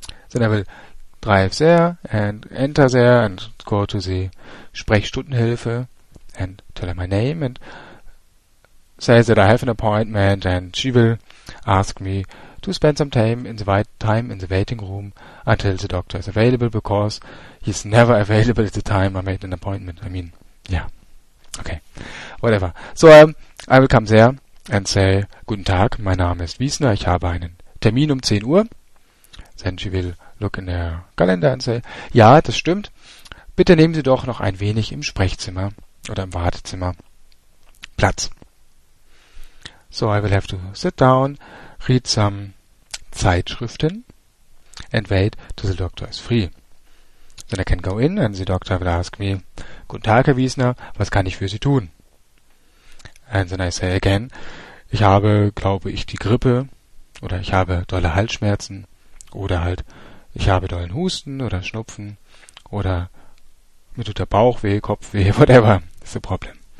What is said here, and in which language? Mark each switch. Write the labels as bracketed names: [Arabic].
[English] Then I will drive there and enter there and go to the Sprechstundenhilfe and tell her my name and say that I have an appointment and she will ask me to spend some time in the waiting room until the doctor is available because he's never available at the time I made an appointment. I mean, yeah. Okay. Whatever. So I will come there and say, [German] guten Tag, mein Name ist Wiesner, ich habe einen Termin um 10 Uhr. [English] Then she will look in her calendar and say, [German] ja, das stimmt. Bitte nehmen Sie doch noch ein wenig im Sprechzimmer oder im Wartezimmer Platz. [English] So I will have to sit down, read some Zeitschriften and wait till the doctor is free. Then I can go in and the doctor will ask me, [German] guten Tag, Herr Wiesner, was kann ich für Sie tun? [English] And then I say again, [German] ich habe, glaube ich, die Grippe oder ich habe dolle Halsschmerzen oder halt ich habe dollen Husten oder Schnupfen oder mir tut der Bauch weh, Kopf weh, [English] whatever is the problem.